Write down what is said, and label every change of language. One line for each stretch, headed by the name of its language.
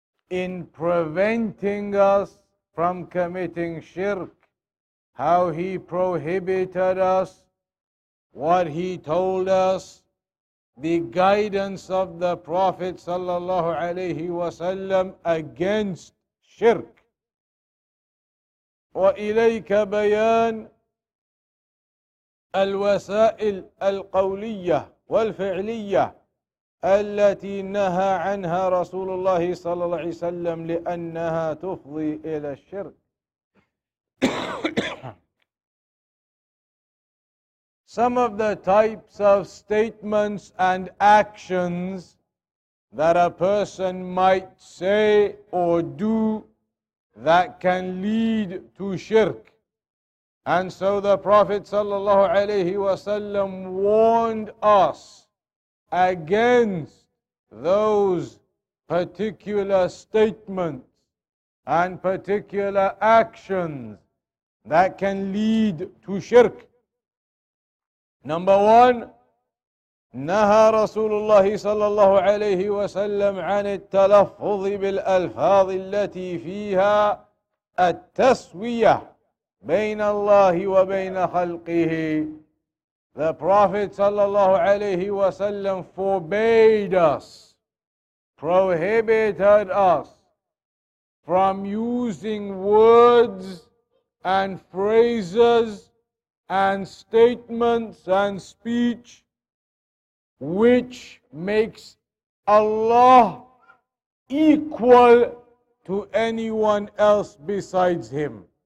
English: in preventing us from committing shirk, how he prohibited us, what he told us, the guidance of the Prophet sallallahu alayhi wasallam against shirk.
Arabic: وَإِلَيْكَ بَيَانٌ الوسائل القولية والفعلية التي نهى عنها رسول الله صلى الله عليه وسلم لأنها تفضي إلى الشرك.
English: Some of the types of statements and actions that a person might say or do that can lead to shirk. And so the Prophet sallallahu alayhi wasallam warned us against those particular statements and particular actions that can lead to shirk. Number one,
Arabic: نهى رسول الله صلى الله عليه وسلم عن التلفظ بالألفاظ التي فيها التسوية بين الله وبين خلقه.
English: The Prophet sallallahu alayhi wasallam forbade us, prohibited us from using words and phrases and statements and speech which makes Allah equal to anyone else besides Him.